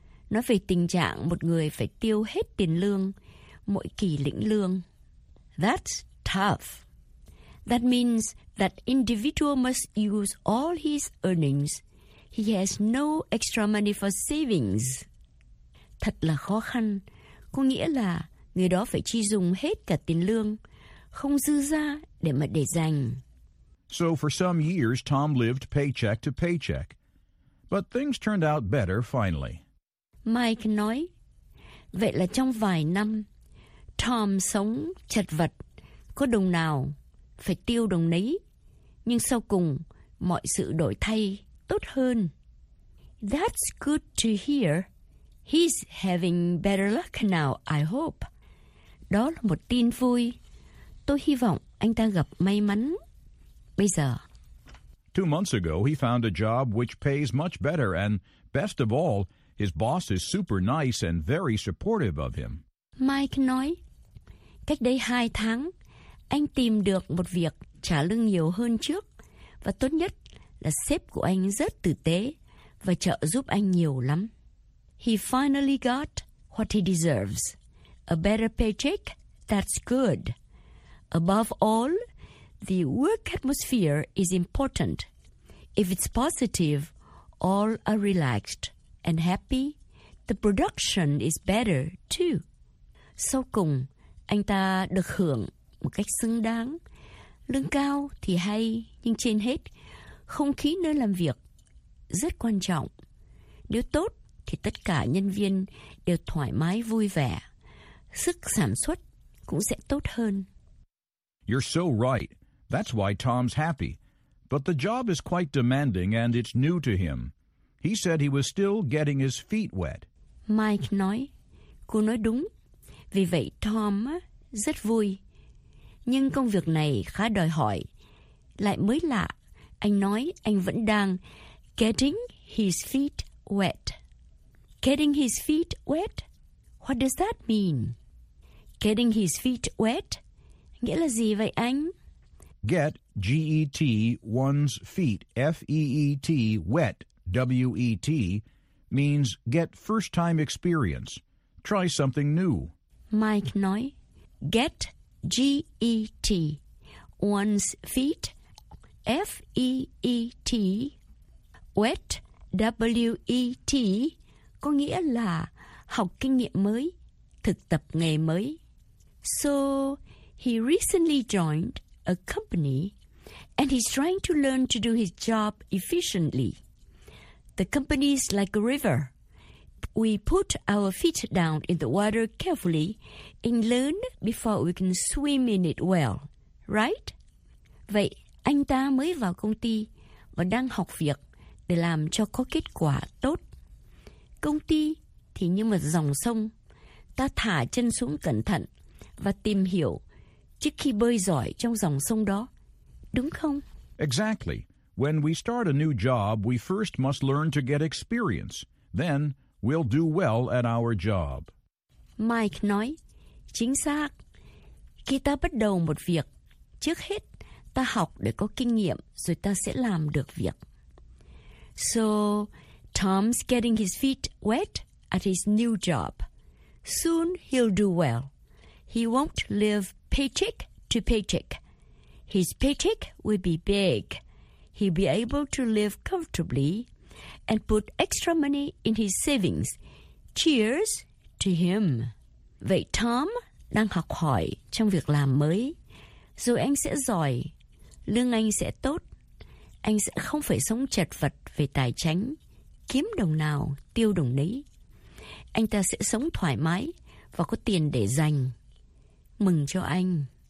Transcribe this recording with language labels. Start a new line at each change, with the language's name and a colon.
Vietnamese: Nói về tình trạng một người phải tiêu hết tiền lương, mỗi kỳ lĩnh lương.
English: That's tough. That means that individual must use all his earnings. He has no extra money for savings.
Vietnamese: Thật là khó khăn, có nghĩa là người đó phải chi dùng hết cả tiền lương, không dư ra để mà để dành.
English: So for some years, Tom lived paycheck to paycheck. But things turned out better finally.
Vietnamese: Mike nói, vậy là trong vài năm, Tom sống chật vật, có đồng nào phải tiêu đồng nấy. Nhưng sau cùng, mọi sự đổi thay tốt hơn.
English: That's good to hear. He's having better luck now, I hope.
Vietnamese: Đó là một tin vui. Tôi hy vọng anh ta gặp may mắn bây giờ.
English: 2 months ago, he found a job which pays much better, and best of all, his boss is super nice and very supportive of him.
Vietnamese: Mike nói, cách đây 2 tháng, anh tìm được một việc trả lương nhiều hơn trước, và tốt nhất là sếp của anh rất tử tế và trợ giúp anh nhiều lắm.
English: He finally got what he deserves. A better paycheck, that's good. Above all, the work atmosphere is important. If it's positive, all are relaxed and happy. The production is better, too.
Vietnamese: Sau cùng, anh ta được hưởng một cách xứng đáng. Lương cao thì hay, nhưng trên hết, không khí nơi làm việc rất quan trọng. Nếu tốt, thì tất cả nhân viên đều thoải mái vui vẻ. Sức sản xuất cũng sẽ tốt hơn.
English: You're so right. That's why Tom's happy. But the job is quite demanding and it's new to him. He said he was still getting his feet wet.
Vietnamese: Mike nói, cô nói đúng. Vì vậy Tom rất vui. Nhưng công việc này khá đòi hỏi. Lại mới lạ. Anh nói anh vẫn đang
English: getting his feet wet. Getting his feet wet? What does that mean? Getting his feet wet?
Vietnamese: Nghĩa là gì vậy anh?
English: Get, G-E-T, one's feet, F-E-E-T, wet, W-E-T, means get first-time experience. Try something new.
Vietnamese: Mike nói,
English: get, G-E-T, one's feet, F-E-E-T, wet, W-E-T,
Vietnamese: có nghĩa là học kinh nghiệm mới, thực tập nghề mới.
English: So, he recently joined a company, and he's trying to learn to do his job efficiently. The company's like a river. We put our feet down in the water carefully and learn before we can swim in it well, right?
Vietnamese: Vậy, anh ta mới vào công ty và đang học việc để làm cho có kết quả tốt. Công ty thì như một dòng sông. Ta thả chân xuống cẩn thận và tìm hiểu trước khi bơi giỏi trong dòng sông đó, đúng không?
English: Exactly. When we start a new job, we first must learn to get experience. Then we'll do well at our job.
Vietnamese: Mike nói, chính xác. Khi ta bắt đầu một việc, trước hết ta học để có kinh nghiệm rồi ta sẽ làm được việc.
English: So, Tom's getting his feet wet at his new job. Soon he'll do well. He won't live paycheck to paycheck. His paycheck will be big. He'll be able to live comfortably and put extra money in his savings. Cheers to him.
Vietnamese: Vậy Tom đang học hỏi trong việc làm mới. Rồi anh sẽ giỏi. Lương anh sẽ tốt. Anh sẽ không phải sống chật vật về tài chính. Kiếm đồng nào, tiêu đồng nấy. Anh ta sẽ sống thoải mái và có tiền để dành. Mừng cho anh.